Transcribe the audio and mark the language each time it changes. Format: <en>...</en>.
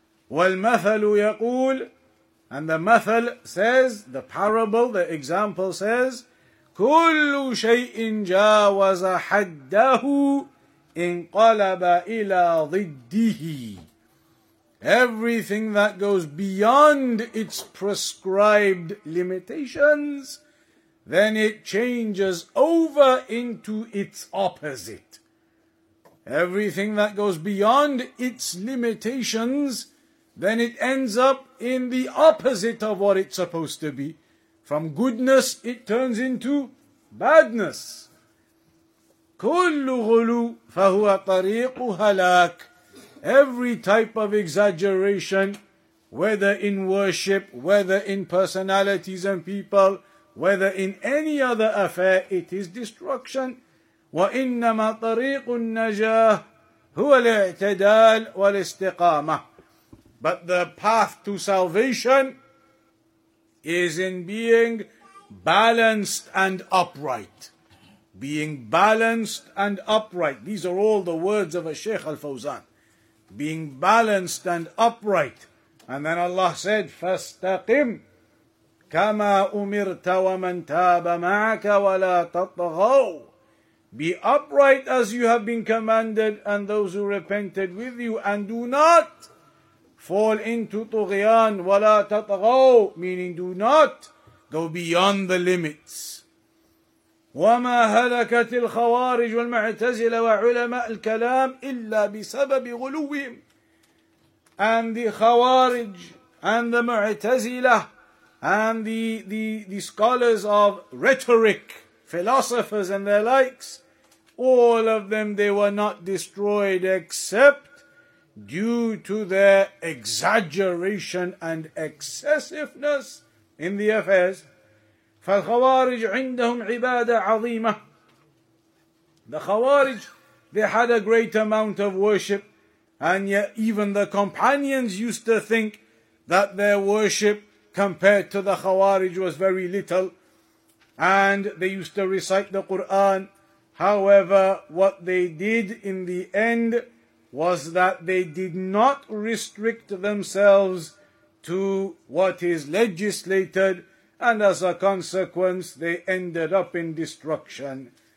<ar>والمثل يقول,</ar> <en>and the مثل says, the parable, the example says,</en> <ar>كل شيء جاوز حده انقلب إلى ضده.</ar> <en>Everything that goes beyond its prescribed limitations, then it changes over into its opposite. Everything that goes beyond its limitations, then it ends up in the opposite of what it's supposed to be. From goodness, it turns into badness.</en> <ar>كل غلو فهو طريق هلاك.</ar> <en>Every type of exaggeration, whether in worship, whether in personalities and people, whether in any other affair, it is destruction.</en> <ar>وإنما طريق النجاة هو الاعتدال والاستقامة.</ar> <en>But the path to salvation is in being balanced and upright. Being balanced and upright. These are all the words of a Sheikh Al-Fawzan. Being balanced and upright. And then Allah said,</en> <ar>فَاسْتَقِمْ كَمَا أُمِرْتَ وَمَنْ تَابَ مَعَكَ وَلَا تَطْغَوْ.</ar> <en>Be upright as you have been commanded and those who repented with you, and do not fall into</en> <ar>طغيان ولا تطغوا,</ar> <en>meaning do not go beyond the limits.</en> <ar>وما هلكت الخوارج والمعتزلة وعلماء الكلام إلا بسبب غلوهم.</ar> <en>And the خوارج and the معتزلة and the scholars of rhetoric, philosophers and their likes, all of them, they were not destroyed except due to their exaggeration and excessiveness in the affairs.</en> <ar>فالخوارج عندهم عبادة عظيمة.</ar> <en>The Khawarij, they had a great amount of worship, and yet even the companions used to think that their worship compared to the Khawarij was very little, and they used to recite the Quran. However, what they did in the end was that they did not restrict themselves to what is legislated, and as a consequence, they ended up in destruction.</en>